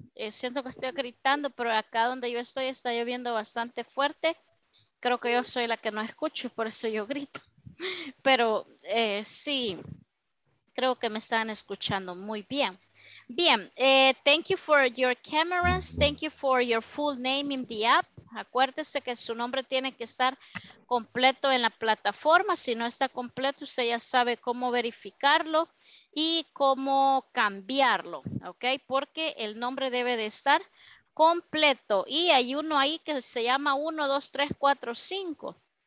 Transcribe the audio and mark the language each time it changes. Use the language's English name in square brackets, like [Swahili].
[Spanish] siento que estoy gritando, pero acá donde yo estoy está lloviendo bastante fuerte. Creo que yo soy la que no escucho, por eso yo grito. Pero sí, creo que me están escuchando muy bien. [English] Bien, thank you for your cameras. Thank you for your full name in the app. [Spanish] Acuérdese que su nombre tiene que estar completo en la plataforma. Si no está completo, usted ya sabe cómo verificarlo y cómo cambiarlo, ¿ok? Porque el nombre debe de estar completo. Y hay uno ahí que se llama 1, 2, 3, 4, 5.